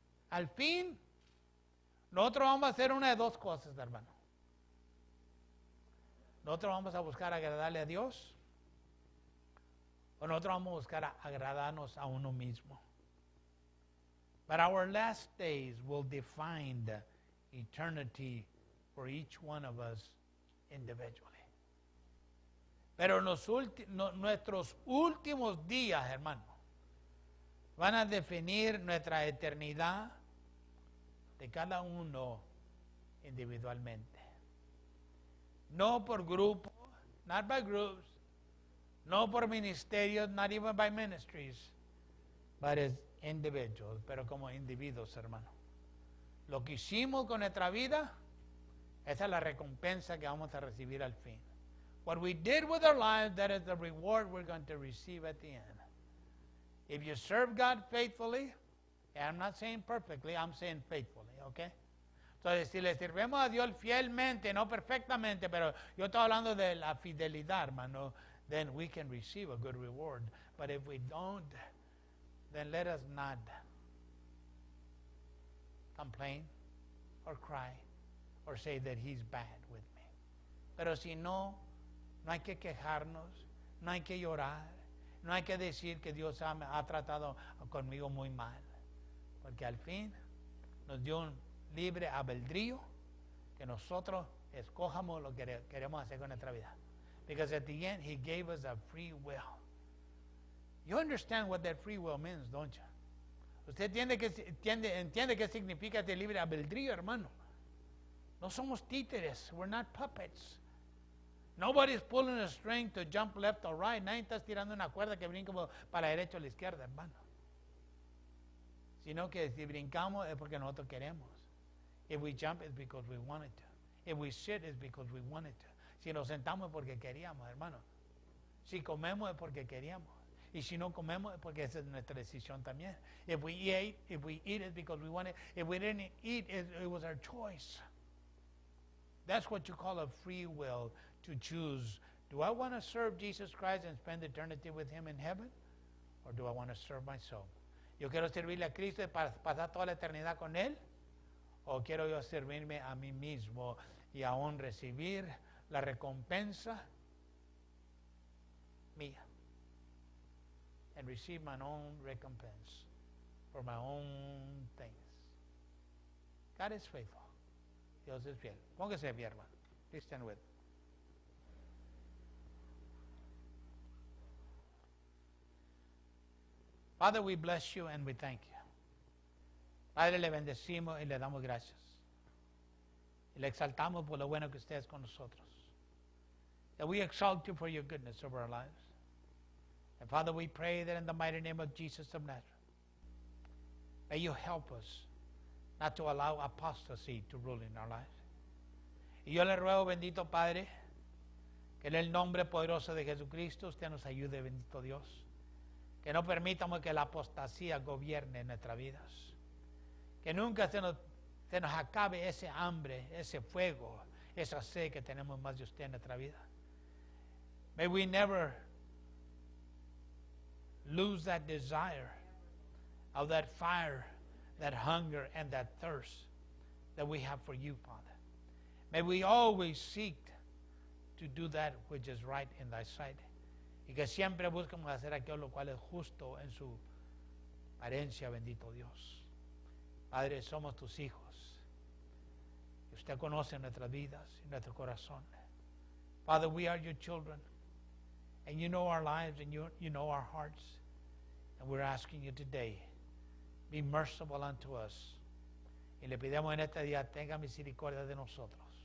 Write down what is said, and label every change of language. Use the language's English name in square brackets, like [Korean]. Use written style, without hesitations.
[Spanish] Al fin, nosotros vamos a hacer una de dos cosas, hermano. Nosotros vamos a buscar agradarle a Dios o nosotros vamos a buscar agradarnos a uno mismo. [English] But our last days will define the eternity for each one of us individually. [Spanish] Pero nuestros últimos días, hermano, van a definir nuestra eternidad de cada uno individualmente. No por grupo, [English] not by groups, [Spanish] no por ministerios, [English] not even by ministries, but as individuals, [Spanish] pero como individuos, hermano. Lo que hicimos con nuestra vida, esa es la recompensa que vamos a recibir al fin. [English] What we did with our lives, that is the reward we're going to receive at the end. If you serve God faithfully, and I'm not saying perfectly, I'm saying faithfully, okay? [Spanish] Entonces, si le sirvemos a Dios fielmente, no perfectamente, pero yo estoy hablando de la fidelidad, hermano, [English] then we can receive a good reward. But if we don't, then let us not complain or cry or say that he's bad with me. [Spanish] Pero si no, no hay que quejarnos, no hay que llorar, no hay que decir que Dios ha tratado conmigo muy mal. Porque al fin nos dio un libre albedrío que nosotros escojamos lo que queremos hacer con nuestra vida. [English] Because at the end, he gave us a free will. You understand what that free will means, don't you? [Spanish] Usted entiende qué significa este libre albedrío, hermano. No somos títeres. [English] We're not puppets. Nobody's pulling a string to jump left or right. [Spanish] Nadie está tirando una cuerda que brinque para la derecha o la izquierda, hermano. Sino que si brincamos es porque nosotros queremos. [English] If we jump, it's because we wanted to. If we sit, it's because we wanted to. [Spanish] Si nos sentamos es porque queríamos, hermano. Si comemos es porque queríamos. Y si no comemos es porque esa es nuestra decisión también. [English] If we eat, it's because we wanted. If we didn't eat, it was our choice. That's what you call a free will to choose. Do I want to serve Jesus Christ and spend eternity with him in heaven? Or do I want to serve myself? [Spanish] ¿Yo quiero servirle a Cristo y pasar toda la eternidad con él? ¿O quiero yo servirme a mí mismo y aún recibir la recompensa mía? [English] And receive my own recompense for my own things. God is faithful. [Spanish] Dios es fiel. Póngase de pie, hermano. [English] Please stand with. Father, we bless you and we thank you. [Spanish] Padre, le bendecimos y le damos gracias. Y le exaltamos por lo bueno que usted es con nosotros. [English] That we exalt you for your goodness over our lives. And Father, we pray that in the mighty name of Jesus of Nazareth, may you help us not to allow apostasy to rule in our lives. [Spanish] Y yo le ruego, bendito Padre, que en el nombre poderoso de Jesucristo usted nos ayude, bendito Dios. Que no permitamos que la apostasía gobierne nuestras vidas. Que nunca se nos acabe ese hambre, ese fuego, esa sed que tenemos más de usted en nuestra vida. [English] May we never lose that desire of that fire, that hunger, and that thirst that we have for you, Father. May we always seek to do that which is right in thy sight. [Spanish] Y que siempre busquemos hacer aquello lo cual es justo en su apariencia, bendito Dios. Padre, somos tus hijos. Usted conoce nuestras vidas y nuestro corazón. [English] Father, we are your children. And you know our lives and you know our hearts. And we're asking you today, be merciful unto us. [Spanish] Y le pedimos en este día, tenga misericordia de nosotros.